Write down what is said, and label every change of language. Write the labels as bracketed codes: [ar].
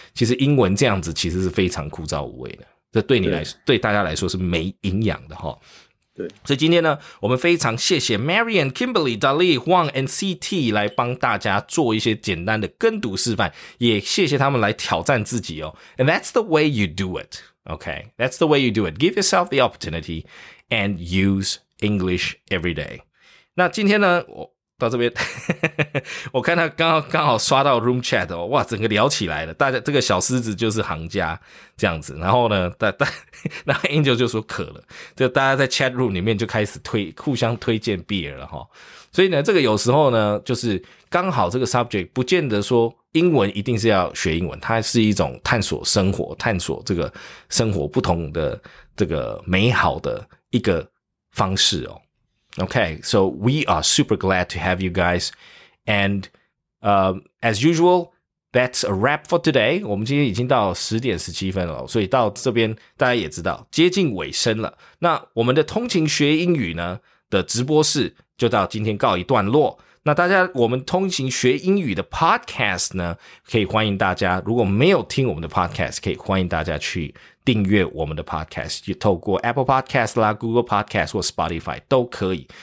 [zh] 其实英文这样子其实是非常枯燥无味的。这对你来说 对大家来说是没营养的齁。对。所以今天呢我们非常谢谢 Marion, Kimberly, Dali, Huang, and CT 来帮大家做一些简单的跟读示范也谢谢他们来挑战自己哦。 [en] And that's the way you do it, okay? That's the way you do it. Give yourself the opportunity and use English every day. [zh] 那今天呢我到这边我看他刚好刷到 room chat, 哇整个聊起来了大家这个小狮子就是行家这样子然后呢那 Angel 就说渴了就大家在 chat room 里面就开始互相推荐 beer 了齁。所以呢这个有时候呢就是刚好这个 subject 不见得说英文一定是要学英文它是一种探索生活探索这个生活不同的这个美好的一个方式哦。 [en] Okay, so we are super glad to have you guys. And, as usual, that's a wrap for today. [zh] 我们今天已经到10点17分了。所以到这边大家也知道接近尾声了。那我们的通勤学英语呢的直播室就到今天告一段落。那大家我们通勤学英语的 podcast 呢可以欢迎大家如果没有听我们的 podcast, 可以欢迎大家去订阅我们的 podcast, 透过 Apple Podcast 啦 ,Google Podcast 或 Spotify 都可以。